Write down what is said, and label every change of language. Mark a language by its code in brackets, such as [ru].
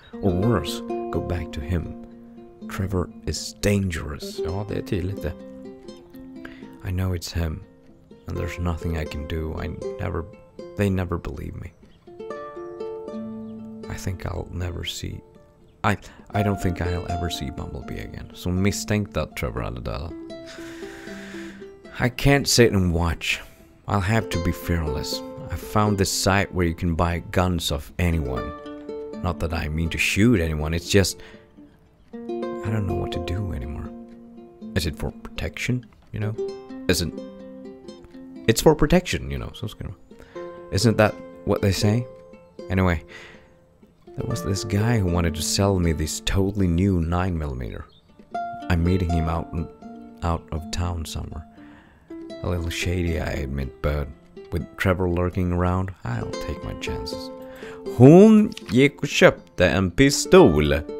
[en] Or worse, go back to him. Trevor is dangerous. [sv] Ja, det är tydligt det. [en] I know it's him. And there's nothing I can do. They never believe me. I think I'll never see. I don't think I'll ever see Bumblebee again. [sv] Så misstänkt att Trevor hade dödat. [en] I can't sit and watch. I'll have to be fearless. I found this site where you can buy guns off anyone. Not that I mean to shoot anyone. It's just, I don't know what to do anymore. Is it for protection, you know? It's for protection, you know. So scary. Isn't that what they say? Anyway, there was this guy who wanted to sell me this totally new 9mm. I'm meeting him out of town somewhere. A little shady, I admit, but with Trevor lurking around, I'll take my chances. [sv] Hon gick och köpte en pistol.